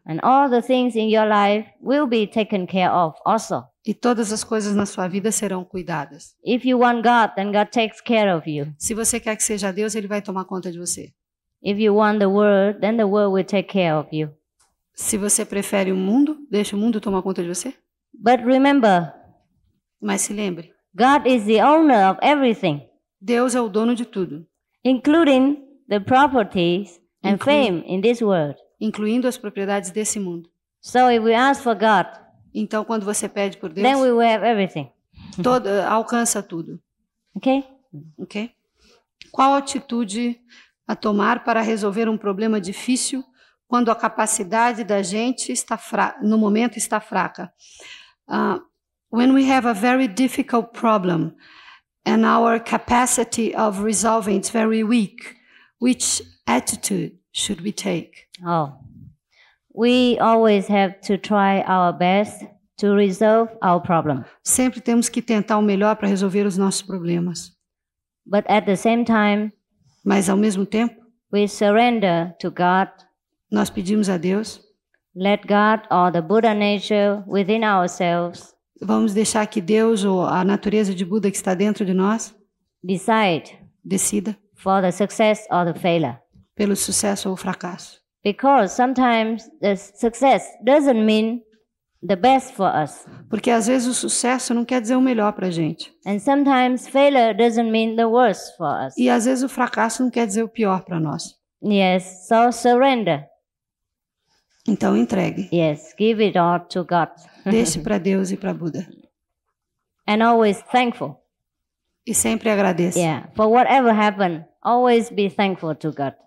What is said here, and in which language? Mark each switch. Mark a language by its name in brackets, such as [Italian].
[English] And all the things in your life will be taken care of also. [Portuguese] E todas as coisas na sua vida serão cuidadas. [English] If you want God, then God takes care of you. [Portuguese] Se você quer que seja Deus, ele vai tomar conta de você. [English] If you want the world, then the world will take care of you. [Portuguese] Se você prefere o mundo, deixa o mundo tomar conta de você. [English] But remember. [Portuguese] Mas se lembre. [English] God is the owner of everything. [Portuguese] Deus é o dono de tudo. [English] Including the properties and fame in this world. [Portuguese] Incluindo as propriedades desse mundo. [English] So if we ask for God, [Portuguese] então, quando você pede por Deus, [English] then we will have everything. [Portuguese] Todo, alcança tudo. [English] Ok? [Portuguese] Qual atitude a tomar para resolver um problema difícil quando a capacidade da gente está no momento está fraca? [English] When we have a very difficult problem and our capacity of resolving is very weak, which attitude should we take? Oh, we always have to try our best to resolve our problem. [Portuguese] Sempre temos que tentar o melhor para resolver os nossos problemas. [English] But at the same time, [Portuguese] mas ao mesmo tempo, [English] we surrender to God. [Portuguese] Nós pedimos a Deus. [English] Let God or the Buddha nature within ourselves. [Portuguese] Vamos deixar que Deus ou a natureza de Buda que está dentro de nós decida. [English] For the success or the failure. [Portuguese] Pelo sucesso ou fracasso. [English] Because sometimes the success doesn't mean the best for us. [Portuguese] Porque às vezes o sucesso não quer dizer o melhor para a gente. [English] And sometimes failure doesn't mean the worst for us. [Portuguese] E às vezes o fracasso não quer dizer o pior para nós. [English] Yes, so surrender. [Portuguese] Então entregue. [English] Yes, give it all to God. [Portuguese] Deixe para Deus e para Buda. [English] And always thankful. [Portuguese] E sempre agradeça. [English] Yeah, for whatever happened, always be thankful to God.